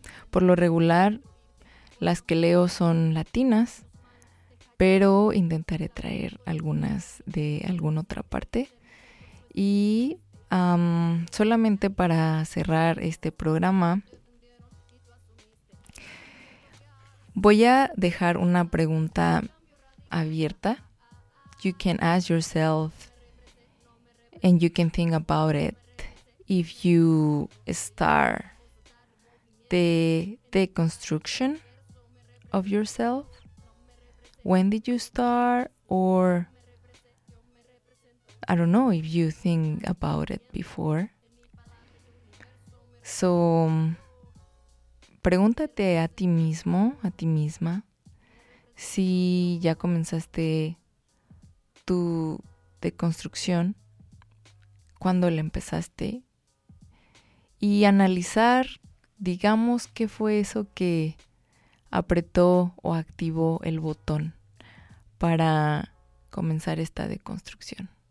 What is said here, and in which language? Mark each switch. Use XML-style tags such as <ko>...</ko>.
<es>Por lo regular, las que leo son latinas, pero intentaré traer algunas de alguna otra parte. Y solamente para cerrar este programa, voy a dejar una pregunta abierta.</es> <en>You can ask yourself and you can think about it if you start the deconstruction of yourself. When did you start? Or I don't know if you think about it before.</en> <es>So pregúntate a ti mismo, a ti misma, si ya comenzaste tu deconstrucción, cuándo la empezaste, y analizar, digamos, qué fue eso que apretó o activó el botón para comenzar esta deconstrucción.</es>